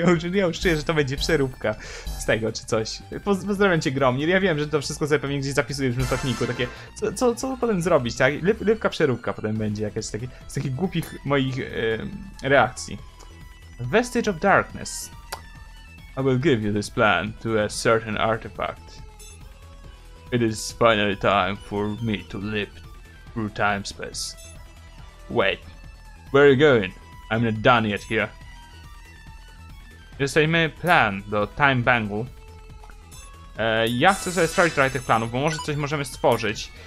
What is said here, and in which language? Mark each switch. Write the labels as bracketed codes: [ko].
[pl] Ja już czuję, że to będzie przeróbka z tego, czy coś. Pozdrawiam cię, Gromir. Ja wiem, że to wszystko sobie pewnie gdzieś zapisujesz w notatniku. Takie, co potem zrobić, tak? Lewka przeróbka potem będzie jakaś z takich głupich moich reakcji. [en] Vestige of Darkness. I will give you this plan to a certain artifact. It is finally time for me to leap through time space. Wait, where are you going? I'm not done yet here. [pl] Jesteśmy plan do Time Bangle. Ja chcę sobie sprawdzić trochę tych planów, bo może coś możemy stworzyć.